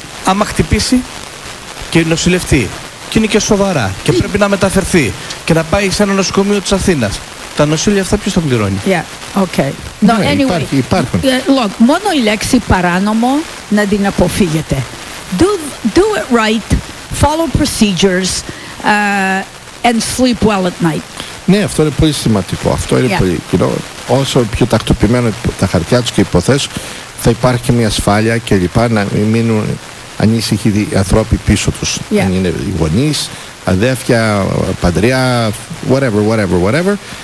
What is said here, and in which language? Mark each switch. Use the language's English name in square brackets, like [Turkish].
[Greek] Άμα χτυπήσει και νοσηλευτεί και είναι και σοβαρά και πρέπει να μεταφερθεί και να πάει σε ένα νοσοκομείο της Αθήνας. Τα νοσήλια αυτά ποιος τα πληρώνει. [English] Yeah, okay. No, yeah, anyway. [Greek] Υπάρχουν. Look, μόνο η λέξη παράνομο να την αποφύγετε. [English] Do it right, follow procedures and sleep well at night. [Greek] Ναι, αυτό είναι πολύ σημαντικό. Αυτό είναι yeah. πολύ κοινό. Όσο πιο τακτοποιημένο τα χαρτιά τους και υποθέσεις, θα υπάρχει και μια ασφάλεια και λοιπά, να μείνουν ανήσυχοι οι ανθρώποι πίσω τους. Yeah. Αν είναι οι γονείς, αδέρφια, παντριά, whatever.